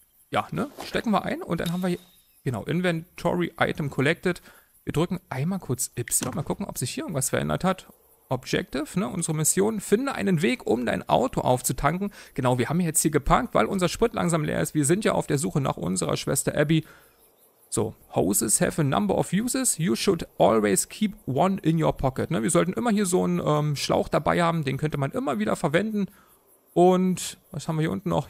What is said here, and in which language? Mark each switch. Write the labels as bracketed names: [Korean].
[German] Ja, ne, stecken wir ein und dann haben wir hier, genau, [English] Inventory Item Collected. [German] Wir drücken einmal kurz Y, mal gucken, ob sich hier irgendwas verändert hat. Objective, ne, unsere Mission, finde einen Weg, um dein Auto aufzutanken. Genau, wir haben jetzt hier geparkt, weil unser Sprit langsam leer ist. Wir sind ja auf der Suche nach unserer Schwester Abby. [English] So, hoses have a number of uses, you should always keep one in your pocket. [German] Ne, wir sollten immer hier so einen Schlauch dabei haben, den könnte man immer wieder verwenden. Und was haben wir hier unten noch?